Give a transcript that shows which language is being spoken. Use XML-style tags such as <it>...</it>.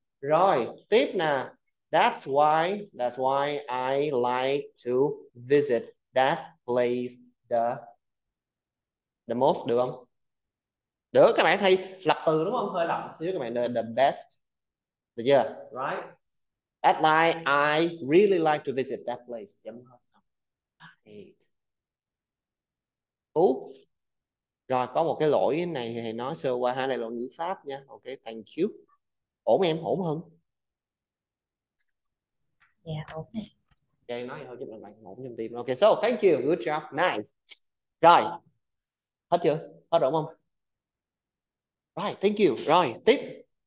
<en>Rồi, tiếp nè. That's why I like to visit that place the most,</en> <vi>được không? Được, các bạn thấy lập từ đúng không? Hơi lập xíu các bạn,</vi> <en>the best.</en> <vi>Được chưa?</vi> <en>Right. That's why I really like to visit that place.</en> <vi>Chấm hết.</vi> <en>Cool.</en> <vi>Rồi, có một cái lỗi này thì nói sơ qua hai này là ngữ pháp nha.</vi> <en>Ok, thank you.</en> <vi>Ổn em, ổn hơn.</vi> <en>Yeah, okay.</en> <vi>Ok, nói thôi chứ bạn bạn ổn trong tim.</vi> <en>Ok, so thank you, good job, nice.</en> <vi>Rồi, hết chưa? Hết rồi không?</vi> <en>Right, thank you.</en> <vi>Rồi, tiếp.</vi>